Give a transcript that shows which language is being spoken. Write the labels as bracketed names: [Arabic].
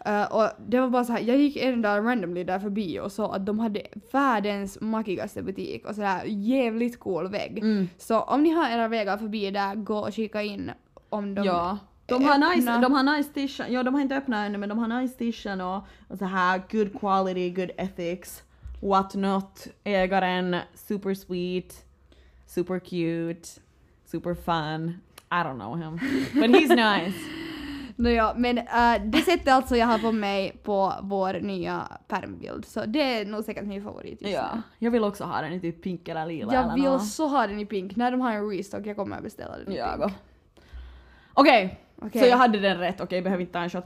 [Swedish] Och det var bara så här, jag gick en dag randomly där förbi och sa att de hade världens mackigaste butik och så där jävligt cool vägg. Mm. Så om ni har era vägar förbi där, gå och kika in om de. Ja. De har nice t-shirt. Ja, de har inte öppnat ännu, men de har nice t-shirt och så här [English] good quality, good ethics, what not. [Swedish] Ägaren super sweet. [English] Super cute, super fun. I don't know him, but he's nice. [Swedish] No ja, men det sättet alltså jag har på mig på vår nya permbild. Så det är nog säkert min favorit. Ja, jag vill också ha den i typ pink eller lila. Jag eller vill något. Så ha den i pink. När de har en restock, jag kommer att beställa den i ja, pink. Okej, okay. Så jag hade den rätt. Okej, okay, behöver inte ta en shot.